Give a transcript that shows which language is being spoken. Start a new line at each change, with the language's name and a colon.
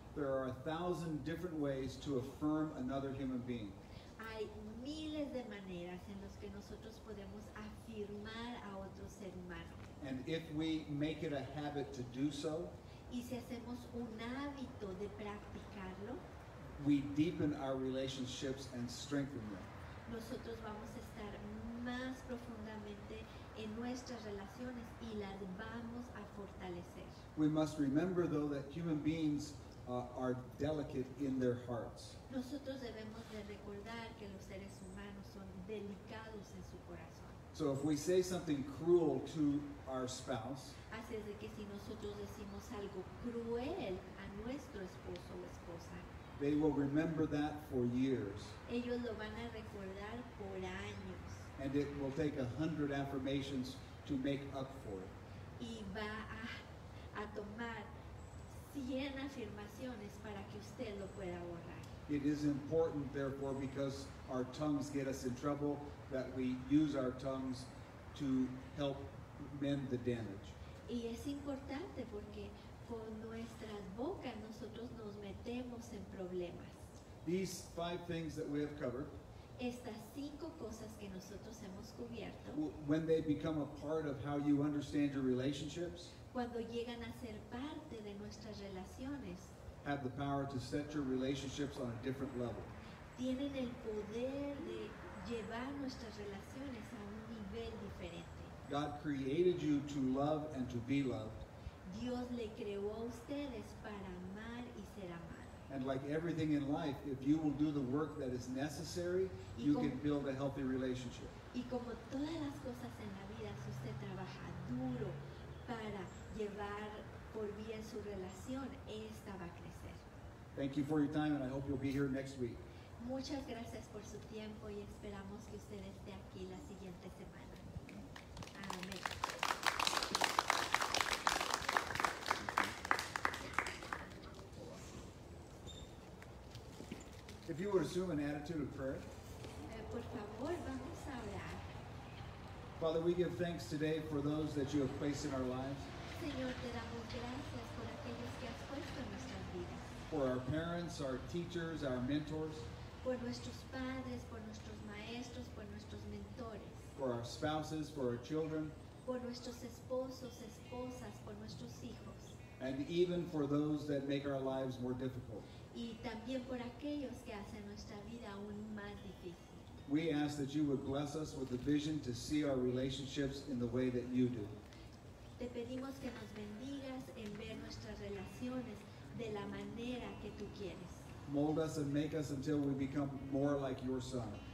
English: There are 1,000 different ways to affirm another human being.
Spanish: Hay miles de maneras en las que nosotros podemos afirmar a otro ser humano.
English: And if we make it a habit to do so,
Spanish: y si hacemos un hábito de practicarlo,
English: we deepen our relationships and strengthen them.
Spanish: Nosotros vamos a estar más profundamente en nuestras relaciones y las vamos a fortalecer.
English: We must remember, though, that human beings are delicate in their hearts.
Spanish: Nosotros debemos de recordar que los seres humanos son delicados en su corazón.
English: So if we say something cruel to our spouse,
Spanish: así es de que si nosotros decimos algo cruel a nuestro esposo o esposa,
English: they will remember that for years.
Spanish: Ellos lo van a recordar por años.
English: And it will take 100 affirmations to make up for it.
Spanish: Y va a tomar 100 afirmaciones para que usted lo pueda borrar.
English: It is important, therefore, because our tongues get us in trouble, that we use our tongues to help mend the damage.
Spanish: Y es importante porque con nuestras bocas nosotros nos metemos en problemas.
English: These 5 things that we have covered,
Spanish: estas 5 cosas que nosotros hemos cubierto,
English: when they become a part of how you understand your relationships,
Spanish: cuando llegan a ser parte de nuestras relaciones,
English: have the power to set your relationships on a different level.
Spanish: Tienen el poder de llevar nuestras relaciones a un nivel diferente.
English: God created you to love and to be loved.
Spanish: Dios le creó a ustedes para amar y ser amado.
English: And like everything in life, if you will do the work that is necessary, you can build a healthy relationship.
Spanish: Y como todas las cosas en la vida, si usted trabaja duro para llevar por bien su relación, esta va a crecer.
English: Thank you for your time, and I hope you'll be here next week.
Spanish: Muchas gracias por su tiempo y esperamos que usted esté aquí la siguiente semana. Amén.
English: If you would assume an attitude of prayer.
Spanish: Por favor, vamos a orar.
English: Father, we give thanks today for those that you have placed in our lives.
Spanish: Señor, te damos gracias por aquellos que has puesto en nuestras vidas.
English: For our parents, our teachers, our mentors.
Spanish: Por nuestros padres, por nuestros maestros, por nuestros mentores.
English: For our spouses, for our children.
Spanish: Por nuestros esposos, esposas, por nuestros hijos.
English: And even for those that make our lives more difficult.
Spanish: Y también por aquellos que hacen nuestra vida aún más difícil.
English: We ask that you would bless us with the vision to see our relationships in the way that you do.
Spanish: Te pedimos que nos bendigas en ver nuestras relaciones de la manera que tú quieres.
English: Mold us and make us until we become more like your son.